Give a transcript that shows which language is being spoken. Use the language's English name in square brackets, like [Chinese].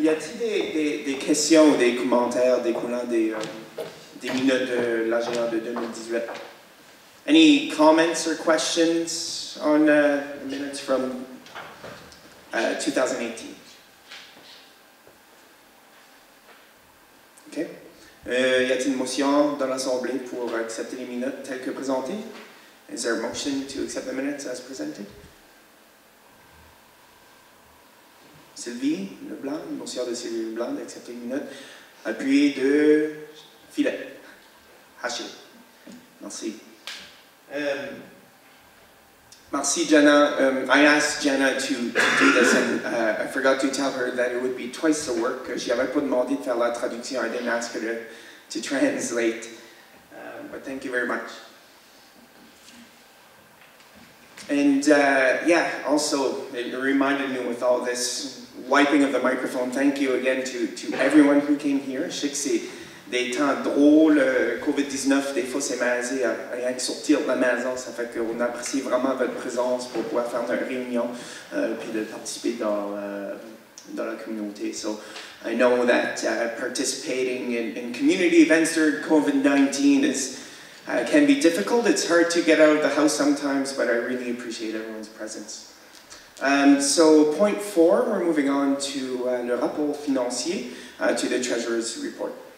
[French] Y a-t-il des questions ou des commentaires découlant des minutes de l'agenda de 2018? [English] Any comments or questions on the minutes from 2018? Okay. [French] Y a-t-il une motion dans l'Assemblée pour accepter les minutes telles que présentées? [English] Is there a motion to accept the minutes as presented? [French] Sylvie Leblanc, monsieur de Sylvie Leblanc, d'accepter une minute. Appuyé de Philet. Haché. Merci. Merci, Jenna. [English] I asked Jenna to do this, and I forgot to tell her that it would be twice the work. [French] Je n'avais pas demandé de faire la traduction. [English] I didn't ask her to translate. But thank you very much. And yeah, also, it reminded me with all this wiping of the microphone. Thank you again to everyone who came here. [French] Je sais que c'est des temps drôles. COVID-19, des fois, c'est malaisé à rien que sortir de la maison. Ça fait qu'on apprécie vraiment votre présence pour pouvoir faire une réunion puis de participer dans la communauté. [English] So, I know that participating in community events during COVID-19 can be difficult. It's hard to get out of the house sometimes, but I really appreciate everyone's presence. So point four, we're moving on to [French] le rapport financier, [English] to the treasurer's report.